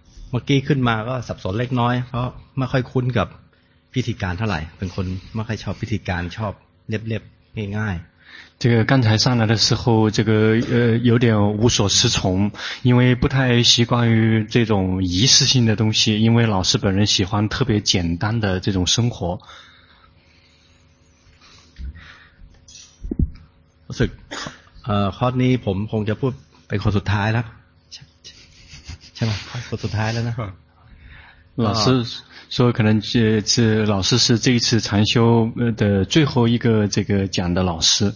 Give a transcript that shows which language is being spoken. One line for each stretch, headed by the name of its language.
Thai: เมื่อกี้ขึ้นมาก็สับสนเล็กน้อยเพราะไม่ค่อยคุ้นกับพิธีการเท่าไหร่เป็นคนไม่ค่อยชอบพิธีการชอบเรียบๆง่าย
Chinese: ๆ这个刚才上来的时候这个有点无所适从因为不太习惯于这种仪式性的东西因为老师本人喜欢特别简单的这种生活
Thai: รู้สึกคอร์สนี้ผมคงจะพูดเป็นคนสุดท้ายแล้วใช่ไหมคอร์สสุดท้ายแล้วนะ
Chinese: 老师说可能这老师是这一次禅修的最后一个这个讲的老师